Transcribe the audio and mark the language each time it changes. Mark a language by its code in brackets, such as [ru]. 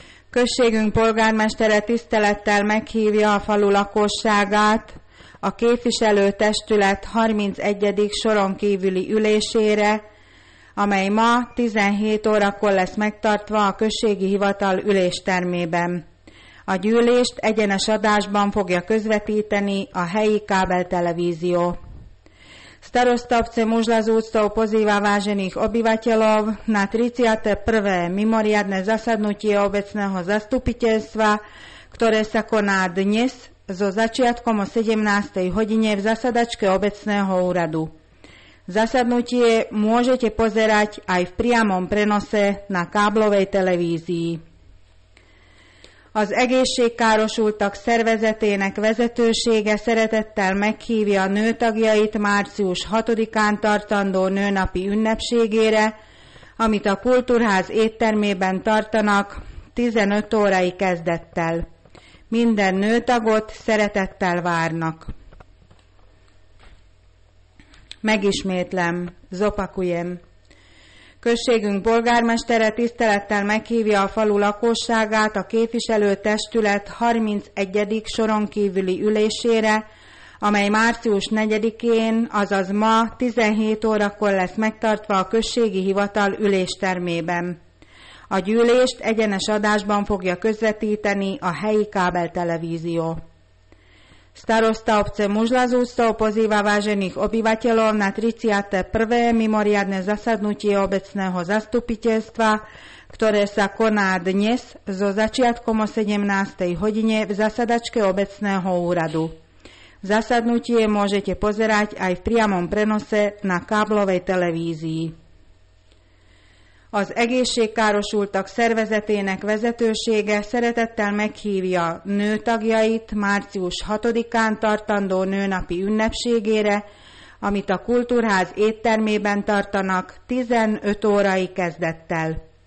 [hu] Községünk polgármestere tisztelettel meghívja a falu lakosságát a képviselőtestület 31. soron kívüli ülésére, amely ma 17 órakor lesz megtartva a községi hivatal üléstermében. A gyűlést egyenes adásban fogja közvetíteni a helyi kábeltelevízió. [sk] Starostovce Mužlas úctou pozýva vážených obyvateľov na 31. mimoriadne zasadnutie obecného zastupiteľstva, ktoré sa koná dnes so začiatkom o 17. hodine v zasadačke obecného úradu. Zasadnutie môžete pozerať aj v priamom prenose na káblovej televízii. [hu] Az egészségkárosultak szervezetének vezetősége szeretettel meghívja a nőtagjait március 6-án tartandó nőnapi ünnepségére, amit a Kultúrház éttermében tartanak 15 órai kezdettel. Minden nőtagot szeretettel várnak. Megismétlem, [sk] zopakujem. [hu] Községünk polgármestere tisztelettel meghívja a falu lakosságát a képviselőtestület 31. soron kívüli ülésére, amely március 4-én, azaz ma 17 órakor lesz megtartva a községi hivatal üléstermében. A gyűlést egyenes adásban fogja közvetíteni a helyi kábeltelevízió. [sk] Starosta obce Mužlas úctou pozýva vážených obyvateľov na 31. mimoriadne zasadnutie obecného zastupiteľstva, ktoré sa koná dnes so začiatkom o 17. hodine v zasadačke obecného úradu. Zasadnutie môžete pozerať aj v priamom prenose na káblovej televízii. [hu] Az egészségkárosultak szervezetének vezetősége szeretettel meghívja nőtagjait március 6-án tartandó nőnapi ünnepségére, amit a Kultúrház éttermében tartanak 15 órai kezdettel.